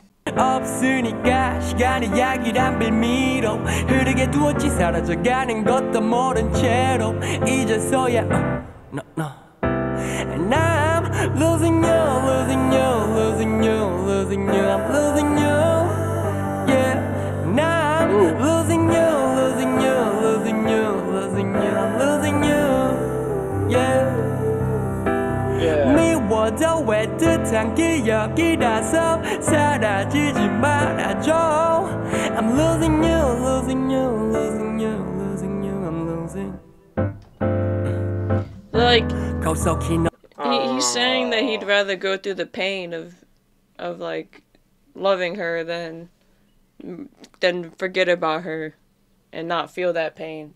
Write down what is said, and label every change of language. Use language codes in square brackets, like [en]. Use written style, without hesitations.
[ko] 없으니까 시간의 이야기란 빌미로 흐르게 두었지 사라져가는 것도 모른 채로 이제서야 [en] And I'm losing you, losing you, losing you, losing you, I'm losing you, yeah. And I'm losing you, losing you, losing you, losing you, I'm losing you, yeah. Yeah. [ko] 미워져 애틋한 기억이 나서 사라지지 말아줘. [en] I'm losing you, losing you, losing you, losing you, I'm losing. He's saying that he'd rather go through the pain of like loving her than forget about her and not feel that pain.